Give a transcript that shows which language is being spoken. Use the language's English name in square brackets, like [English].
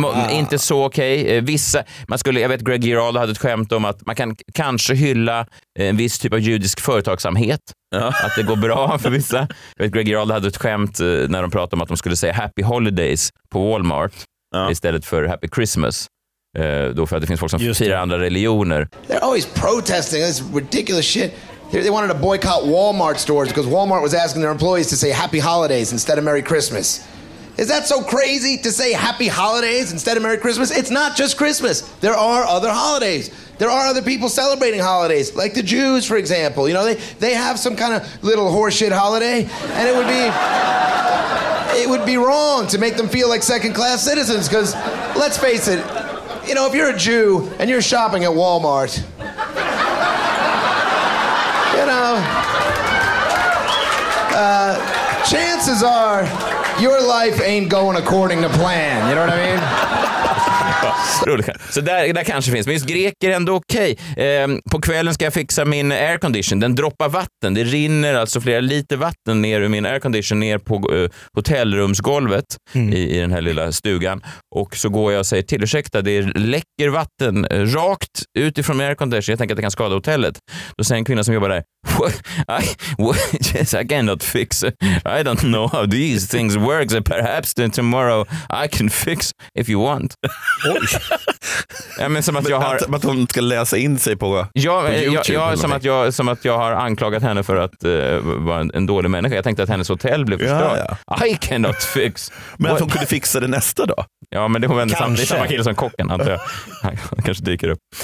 [Swedish] Inte så okej. Vissa, man skulle, jag vet Greg Giraldo hade ett skämt om att man kan kanske hylla en viss typ av judisk företagsamhet. Ja. Att det går bra för vissa. Jag vet Greg Giraldo hade ett skämt när de pratade om att de skulle säga Happy Holidays på Walmart, ja, istället för Happy Christmas. Då för att det finns folk som firar andra religioner. [English] They're always protesting. This ridiculous shit. They wanted to boycott Walmart stores because Walmart was asking their employees to say Happy Holidays instead of Merry Christmas. Is that so crazy to say Happy Holidays instead of Merry Christmas? It's not just Christmas. There are other holidays. There are other people celebrating holidays, like the Jews, for example. You know, they have some kind of little horseshit holiday, and it would be wrong to make them feel like second-class citizens, because let's face it, you know, if you're a Jew and you're shopping at Walmart, you know, chances are... Your life ain't going according to plan. You know what I mean? [Swedish] Roligt. Så där kanske finns. Men just greker ändå okej. På kvällen ska jag fixa min aircondition. Den droppar vatten. Det rinner alltså flera liter vatten ner ur min aircondition ner på hotellrumsgolvet i den här lilla stugan. Och så går jag och säger till, ursäkta, det läcker vatten rakt utifrån min aircondition. Jag tänker att det kan skada hotellet. Då säger en kvinna som jobbar där, [English] I cannot fix it. I don't know how these things work. So perhaps tomorrow I can fix if you want. [Swedish] Ja, men som att jag har, att hon ska läsa in sig på, ja, på YouTube, ja, som att jag, som att jag har anklagat henne för att vara en dålig människa. Jag tänkte att hennes hotell blev förstört. Ja. [English] I cannot fix. [Swedish] Men att hon kunde fixa det nästa dag. Ja, men det var ändå samma kille som kocken, antar jag. Han kanske dyker upp.